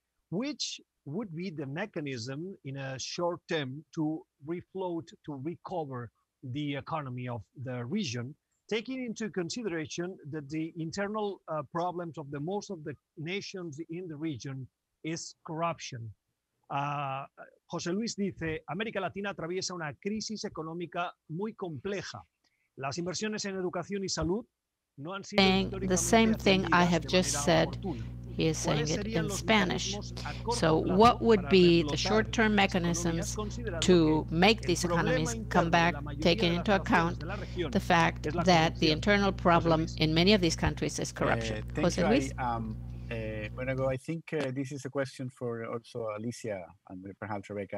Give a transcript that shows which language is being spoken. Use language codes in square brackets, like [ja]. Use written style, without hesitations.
[en] Which would be the mechanism in a short term to refloat, to recover the economy of the region, taking into consideration that the internal problems of the most of the nations in the region is corruption? [es] José Luis dice, América Latina atraviesa una crisis económica muy compleja. Las inversiones en educación y salud no han sido [en] the same thing I have just said. He is saying it in Spanish. So what would be the short-term mechanisms to make these economies come back, taking into account the fact that the internal problem in many of these countries is corruption? José Luis? I think this is a question for also Alicia and perhaps Rebecca.